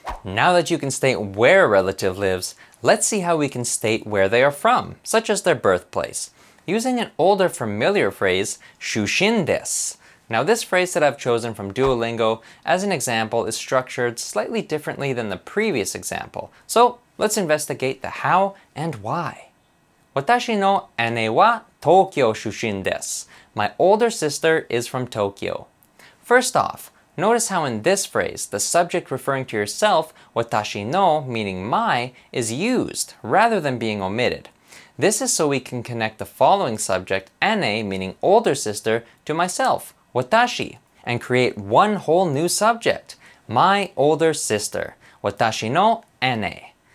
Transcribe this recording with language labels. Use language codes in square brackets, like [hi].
[en] Now that you can state where a relative lives, let's see how we can state where they are from, such as their birthplace. Using an older familiar phrase, 出身です. Now this phrase that I've chosen from Duolingo as an example is structured slightly differently than the previous example. So let's investigate the how and why. [ja] 私の姉は東京出身です. [en] My older sister is from Tokyo. First off, notice how in this phrase, the subject referring to yourself, 私の, meaning my, is used rather than being omitted. This is so we can connect the following subject, 姉, meaning older sister, to myself, 私, and create one whole new subject, my older sister, 私の姉.